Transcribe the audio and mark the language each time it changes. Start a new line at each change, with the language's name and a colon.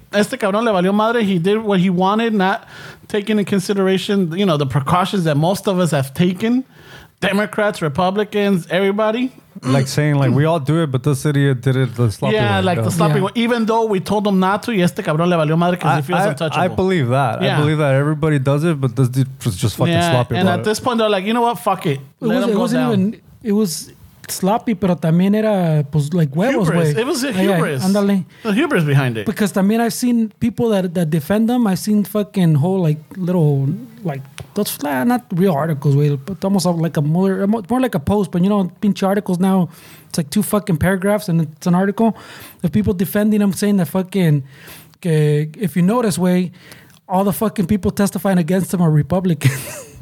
Spanish: Este cabrón le valió madre.
English: He did what he wanted, not taking in consideration, you know, the precautions that most of us have taken. Democrats, Republicans, everybody. Like saying, like, we all do it, but this idiot did it the sloppy way. Yeah, like, though, the sloppy, yeah, way. Even though we told him not to,
Spanish: y este cabrón le valió madre
English: because he feels untouchable. I believe that. Yeah. I believe that everybody does it, but this dude was just fucking, yeah, sloppy. And at it. This point, they're like, you know what? Fuck it. It was sloppy,
Spanish: pero también era, pues,
English: like, huevos, güey. It was a hubris. Andale. The hubris behind it. Because también I've seen people that defend them. I've seen fucking whole, like, little, like, those, not real articles, güey, but almost like a more like a post, but, you know, pinche articles now, it's like two fucking paragraphs and it's an article of people defending them, saying that fucking, que, if you notice, way, all the fucking people testifying against him are Republicans.